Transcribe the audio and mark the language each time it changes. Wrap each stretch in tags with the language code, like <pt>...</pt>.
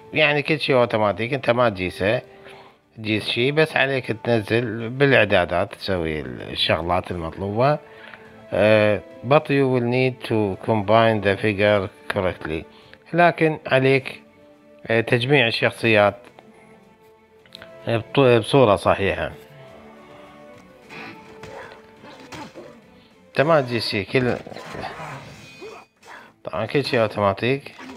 <ar>يعني كل شيء اوتوماتيك، انت ما تجيسه، تجيس شيء بس عليك تنزل بالاعدادات تسوي الشغلات المطلوبة.</ar> <en>but you will need to combine the figure correctly.</en> <ar>لكن عليك تجميع الشخصيات بصورة صحيحة. تمام جي سي كل طبعا كل شيء اوتوماتيك.</ar>